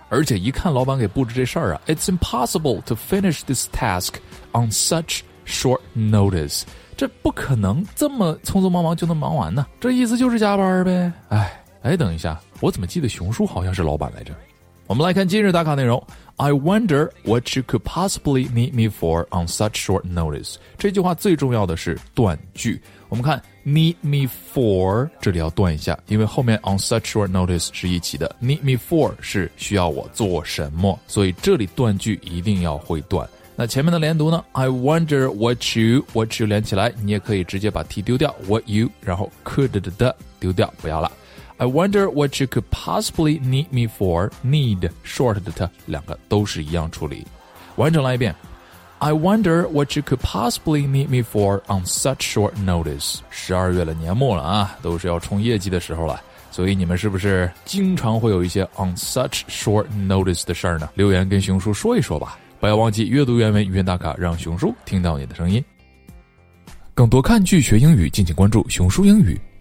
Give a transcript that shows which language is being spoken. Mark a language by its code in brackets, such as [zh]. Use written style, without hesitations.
[zh] 而且一看老板给布置这事儿啊， [en] It's impossible to finish this task on such short notice. [zh] 这不可能这么匆匆忙忙就能忙完呢。这意思就是加班呗。哎，等一下，我怎么记得熊叔好像是老板来着。我们来看今日打卡内容。 [en] I wonder what you could possibly need me for on such short notice. [zh] 这句话最重要的是断句。我们看 [en] need me for, [zh] 这里要断一下，因为后面 [en] on such short notice [zh] 是一起的。 need me for 是需要我做什么，所以这里断句一定要会断。那前面的连读呢， [en] I wonder what you [zh] 连起来，你也可以直接把 T 丢掉， what you, 然后 could 丢掉，不要了。 [en] I wonder what you could possibly need me for. [zh] Need, short 的它两个都是一样处理。完整来一遍。 [en] I wonder what you could possibly need me for on such short notice. [zh] 12月了，年末了啊，都是要冲业绩的时候了。所以你们是不是经常会有一些 [en] on such short notice [zh] 的事儿呢？留言跟熊叔说一说吧。不要忘记阅读原文语音打卡，让熊叔听到你的声音。更多看剧学英语，敬请关注熊叔英语